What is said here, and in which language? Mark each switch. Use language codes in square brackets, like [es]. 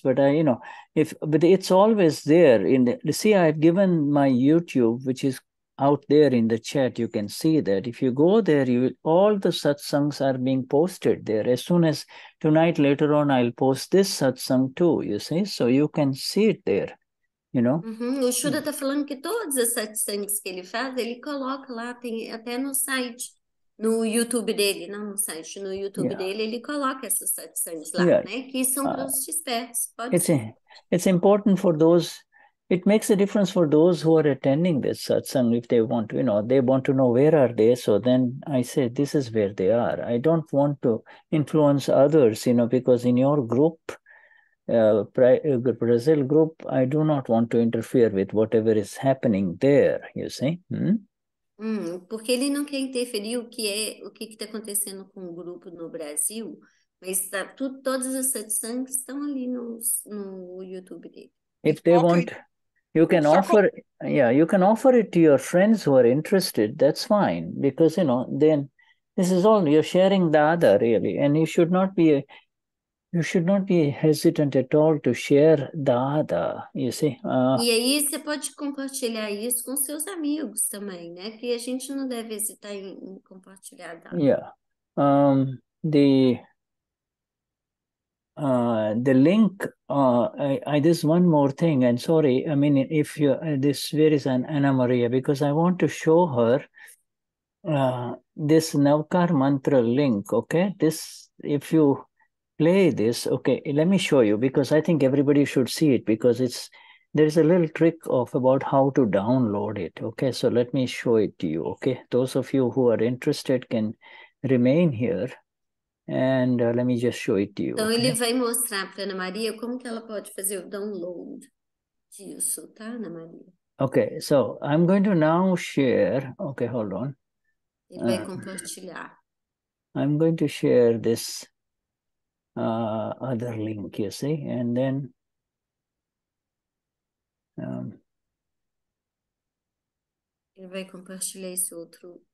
[en] But but it's always there. In the see, I've given my YouTube, which is out there in the chat. You can see that if you go there, all the satsangs are being posted there. As soon as tonight, later on, I'll post this satsang too. You see, so you can see it there. You know? Uhum. [pt] O Shuda está falando que todos os satsangs que ele faz, ele coloca lá, tem até no site, no YouTube dele, não no site, no YouTube yeah. dele, ele coloca esses satsangs lá, yeah. né? Que são para os despertos. [en] It's important for those, it makes a difference for those who are attending this satsang, if they want to, you know, they want to know where are they, so then I say, this is where they are. I don't want to influence others, you know, because in your group, Brazil group, I do not want to interfere with whatever is happening there, you see? [pt] Porque ele não quer interferir o que está acontecendo com o grupo no Brasil, mas todas as satsangs estão ali no YouTube dele. [en] If they want, you can offer, yeah, you can offer it to your friends who are interested, that's fine, because, you know, then this is all, you're sharing the other, really, and you should not be you should not be hesitant at all to share Dada, you see. [pt] E aí você pode compartilhar isso com seus amigos também, né? Que a gente não deve hesitar em compartilhar Dada. [en] Yeah. The link, I this one more thing, and sorry, I mean, if you, this where is Anna Maria, because I want to show her This Navkar mantra link, okay? This, if you play this, okay, let me show you, because I think everybody should see it, because it's, there is a little trick of about how to download it, okay? So let me show it to you, okay? Those of you who are interested can remain here, and let me just show it to you. [pt] Então, okay? Ele vai mostrar para Ana Maria como que ela pode fazer o download disso, tá, Ana Maria? [en] Okay, so I'm going to now share, okay, hold on. [pt] Ele vai compartilhar. [en] I'm going to share this other link, you see, and then [pt] ele vai compartilhar esse outro link.